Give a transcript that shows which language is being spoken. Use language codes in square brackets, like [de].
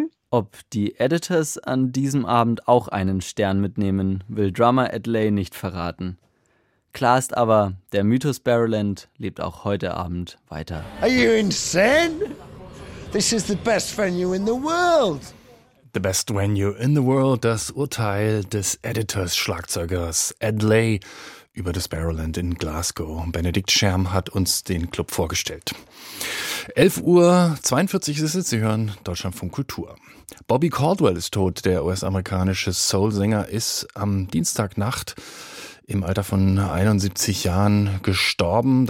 [de] Ob die Editors an diesem Abend auch einen Stern mitnehmen, will Drummer Ed Lay nicht verraten. Klar ist aber, der Mythos Barrowland lebt auch heute Abend weiter. [en] Are you insane? This is the best venue in the world. The best venue in the world, [de] das Urteil des Editors-Schlagzeugers Ed Lay über das Barrowland in Glasgow. Benedikt Scherm hat uns den Club vorgestellt. 11.42 Uhr ist es, Sie hören Deutschlandfunk Kultur. Bobby Caldwell ist tot, der US-amerikanische Soul-Sänger ist am Dienstagnacht im Alter von 71 Jahren gestorben.